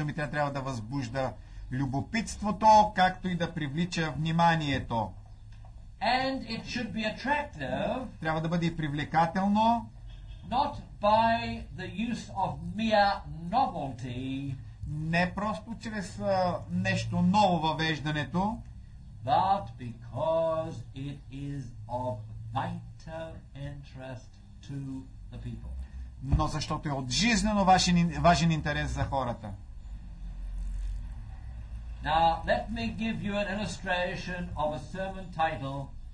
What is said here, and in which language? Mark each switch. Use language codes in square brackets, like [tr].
[bg] Трябва да възбужда любопитството, както и да привлича вниманието. [en] And it should be attractive. [bg] Трябва да бъде привлекателно. [en] Not by the use of mere novelty. [bg] Не просто чрез нещо ново въвеждането. [en] But because it is of vital interest to the people. [bg] Но защото е от жизнено важен интерес за хората. [en] Now let me give you an illustration of a sermon title.